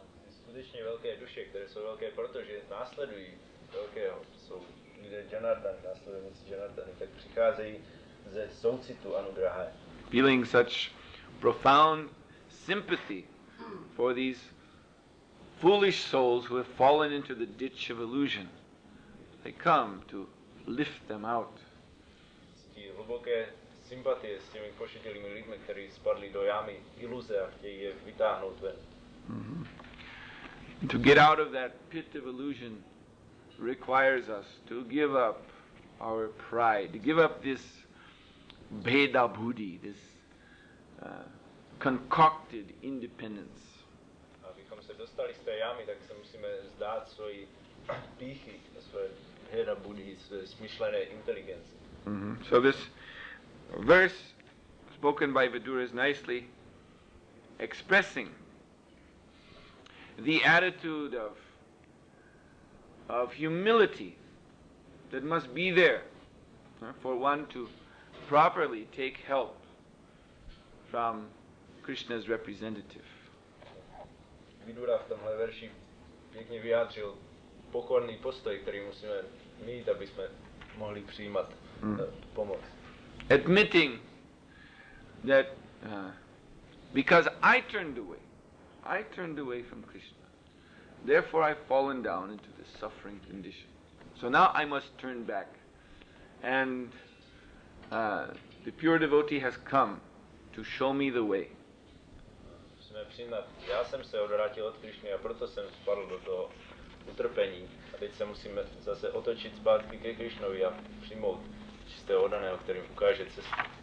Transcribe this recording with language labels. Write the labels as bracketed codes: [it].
[cs] Skutečně velké duše, které jsou velké, protože následují velkého, jsou lidé Janardan, následující Janardany, tak přicházejí ze soucitu anugraha. [en] Feeling such profound sympathy for these foolish souls who have fallen into the ditch of illusion. They come to lift them out. [cs] Cítí hluboké sympatie s těmi pošetilými lidmi, kteří spadli do jámy iluze a chtějí je vytáhnout ven. [en] To get out of that pit of illusion requires us to give up our pride, give up this bheda buddhi, this concocted independence. [cs] Abychom se dostali z té jámy, tak se musíme zdát svoji píchy, svoje bheda buddhi, svoje smyšlené inteligence. [en] So this verse spoken by Vidura is nicely expressing the attitude of humility that must be there for one to properly take help from Krishna's representative. [cs] Vidura v tomhle verši pěkně vyjádřil pokorný postoj, který musíme mít, aby jsme mohli přijímat pomoc. [en] Admitting that because I turned away from Krishna, therefore I've fallen down into this suffering condition. So now I must turn back. And the pure devotee has come to show me the way. [cs] Musíme přijímat, já jsem se odvrátil od Krišny a proto jsem spadl do toho utrpení. A teď se musíme zase otočit zpátky ke Krišnovi a přijmout čistého oddaného, který ukáže cestu.